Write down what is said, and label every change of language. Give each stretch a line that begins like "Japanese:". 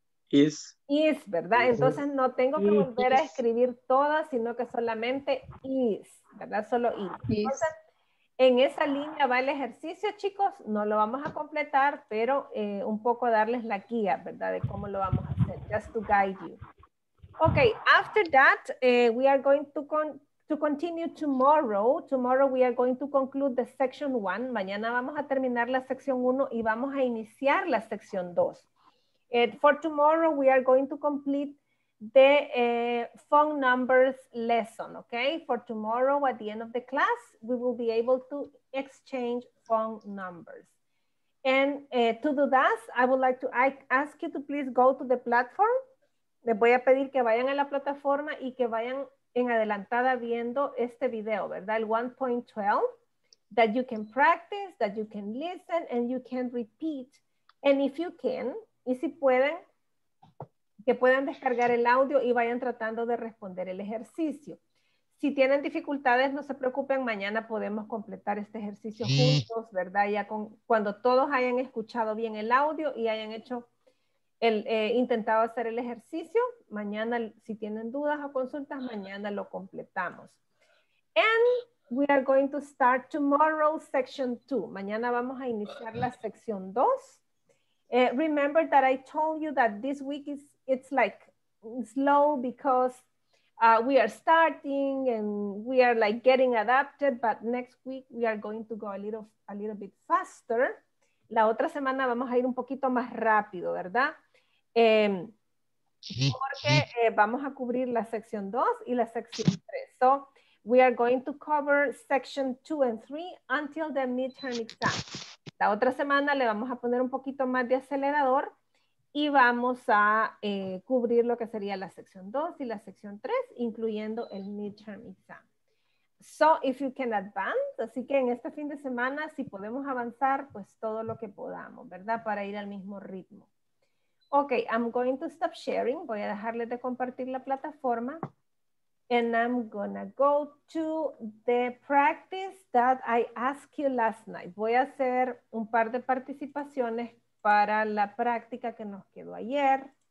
English: Is.
Spanish: Is, ¿verdad? Entonces no tengo que volver a escribir todas, sino que solamente is, ¿verdad? Solo is. Entonces, en esa línea va el ejercicio, chicos. No lo vamos a completar, pero un poco darles la guía, ¿verdad? De cómo lo vamos a hacer,
English: just to guide you. Okay, after that, we are going to, continue tomorrow. Tomorrow we are going to conclude the section one.
Spanish: Mañana vamos a terminar la sección uno y vamos a iniciar la sección dos.
English: For tomorrow, we are going to complete the phone numbers lesson, okay? For tomorrow, at the end of the class, we will be able to exchange phone numbers. And to do that, I would like to ask you to please go to the platform.
Spanish: Les voy a pedir que vayan a la plataforma y que vayan en adelantada viendo este video, ¿verdad?
English: El 1.12, that you can practice, that you can listen, and you can repeat. And if you can,
Spanish: y si pueden, que puedan descargar el audio y vayan tratando de responder el ejercicio. Si tienen dificultades, no se preocupen, mañana podemos completar este ejercicio juntos, ¿verdad? Ya cuando todos hayan escuchado bien el audio y hayan hecho He intentado hacer el ejercicio. Mañana, si tienen dudas o consultas, mañana lo completamos.
English: And we are going to start tomorrow section 2.
Spanish: Mañana vamos a iniciar la sección 2.
English: Remember that I told you that this week is, it's like slow because we are starting and we are like getting adapted, but next week we are going to go a little bit faster.
Spanish: La otra semana vamos a ir un poquito más rápido, ¿verdad? Porque vamos a cubrir la sección 2 y la sección 3.
English: So, we are going to cover section 2 and 3 until the midterm exam.
Spanish: La otra semana le vamos a poner un poquito más de acelerador y vamos a cubrir lo que sería la sección 2 y la sección 3, incluyendo el midterm exam.
English: So, if you can advance,
Spanish: así que en este fin de semana, si podemos avanzar, pues todo lo que podamos, ¿verdad? Para ir al mismo ritmo.
English: Ok, I'm going to stop sharing.
Spanish: Voy a dejarles de compartir la plataforma.
English: And I'm gonna go to the practice that I asked you last night.
Spanish: Voy a hacer un par de participaciones para la práctica que nos quedó ayer.